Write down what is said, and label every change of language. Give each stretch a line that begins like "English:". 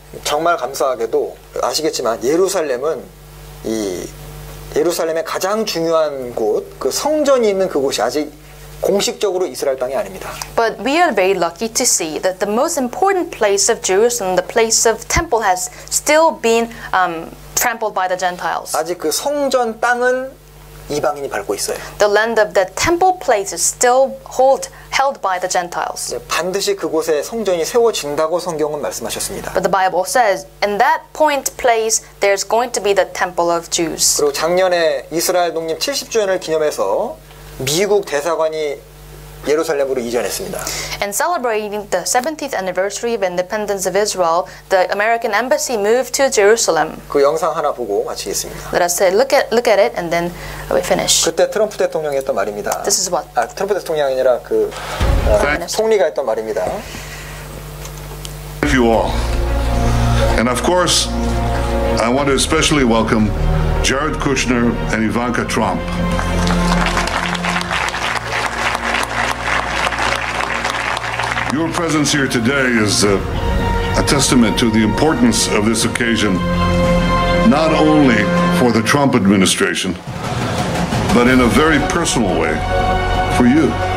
Korean: 정말 감사하게도 아시겠지만 예루살렘은 이 예루살렘의 가장 중요한 곳, 그 성전이 있는 그곳이 아직 공식적으로 이스라엘 땅이 아닙니다.
English: But we are very lucky to see that the most important place of Jerusalem, the place of temple, has still been trampled by the Gentiles.
Korean: 아직 그 성전 땅은 이방인이 밟고 있어요.
English: The land of the temple place is still held by the Gentiles.
Korean: 반드시 그곳에 성전이 세워진다고 성경은 말씀하셨습니다.
English: But the Bible says, in that point place, there's going to be the temple of Jews.
Korean: 그리고 작년에 이스라엘 독립 70주년을 기념해서 미국 대사관이 예루살렘으로 이전했습니다.
English: And celebrating the 70th anniversary of independence of Israel, the American embassy moved to Jerusalem.
Korean: 그 영상 하나 보고 마치겠습니다.
English: Let us look at it and then we finish.
Korean: 그때 트럼프 대통령이 했던 말입니다.
English: This is what
Korean: 아, 트럼프 대통령이 아니라 그 총리가 했던 말입니다.
English: If you all. And of course, I want to especially welcome Jared Kushner and Ivanka Trump. Your presence here today is a testament to the importance of this occasion, not only for the Trump administration, but in a very personal way, for you.